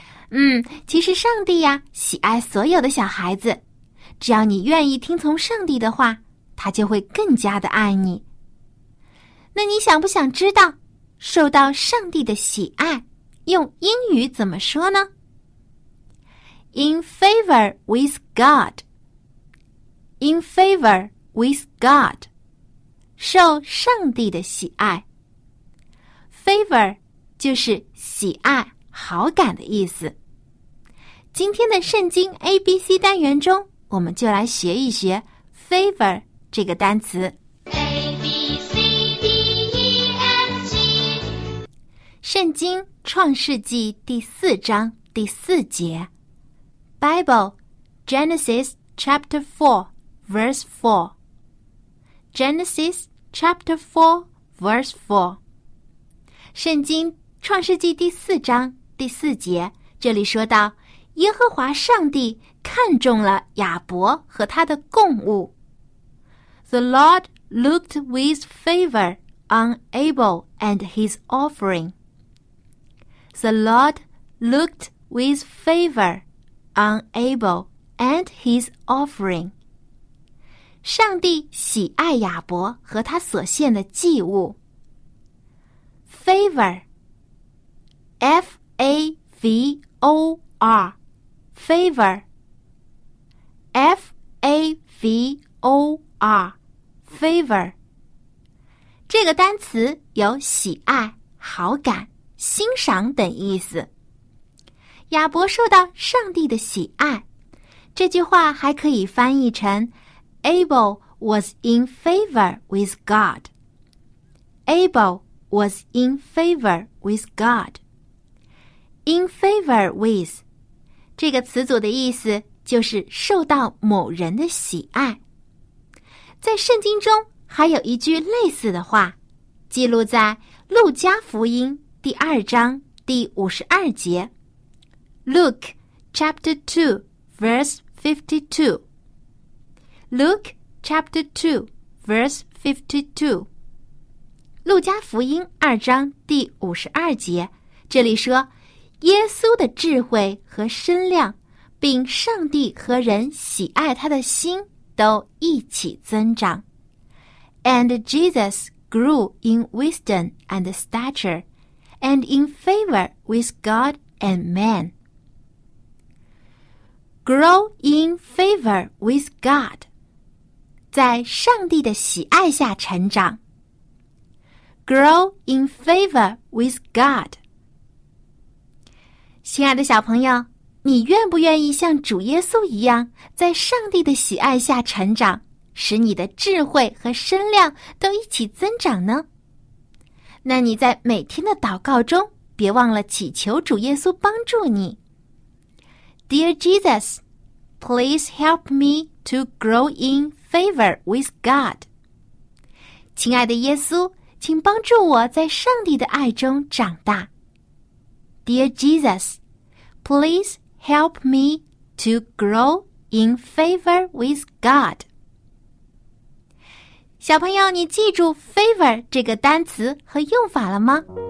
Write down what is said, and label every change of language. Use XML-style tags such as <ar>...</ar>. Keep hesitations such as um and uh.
<zh>嗯，其实上帝呀、啊，喜爱所有的小孩子，只要你愿意听从上帝的话，他就会更加的爱你。那你想不想知道受到上帝的喜爱用英语怎么说呢？</zh> <en>In favor with God. In favor with God，</en> <zh>受上帝的喜爱。 Favor 就是喜爱、好感的意思。今天的圣经 A B C 单元中，我们就来学一学 favor 这个单词。圣经创世纪第四章第四节。</zh> <en>Bible Genesis Chapter Four Verse Four. Genesis Chapter Four Verse Four.</en> <zh>圣经创世纪第四章第四节，这里说到耶和华上帝看中了亚伯和他的供物。</zh> <en>The Lord looked with favor on Abel and his offering. The Lord looked with favor on Abel and his offering.</en> <zh>上帝喜爱亚伯和他所献的祭物。</zh> <en>Favor, f a v o r, favor, f a v o r, favor.</en> <zh>这个单词有喜爱、好感。欣赏等意思。亚伯受到上帝的喜爱，这句话还可以翻译成：</zh> <en>“Abel was in favor with God.” Abel was in favor with God. In favor with</en> <zh>这个词组的意思就是受到某人的喜爱。在圣经中还有一句类似的话，记录在路加福音。第二章第五十二节。</zh> <en>Look, chapter two, verse fifty-two. Look, chapter two, verse fifty-two.</en> <zh>《路加福音》二章第五十二节，这里说，耶稣的智慧和身量，并上帝和人喜爱他的心，都一起增长。</zh> <en>And Jesus grew in wisdom and stature. and in favor with God and man. grow in favor with God，</en> <zh>在上帝的喜爱下成长。</zh> <en>grow in favor with God。</en> <zh>亲爱的小朋友，你愿不愿意像主耶稣一样，在上帝的喜爱下成长，使你的智慧和身量都一起增长呢？那你在每天的祷告中，别忘了祈求主耶稣帮助你。</zh> <en>Dear Jesus, please help me to grow in favor with God。</en> <zh>亲爱的耶稣，请帮助我在上帝的爱中长大。</zh> <en>Dear Jesus, please help me to grow in favor with God。</en> <zh>小朋友，你记住 "favor" 这个单词和用法了吗？</zh>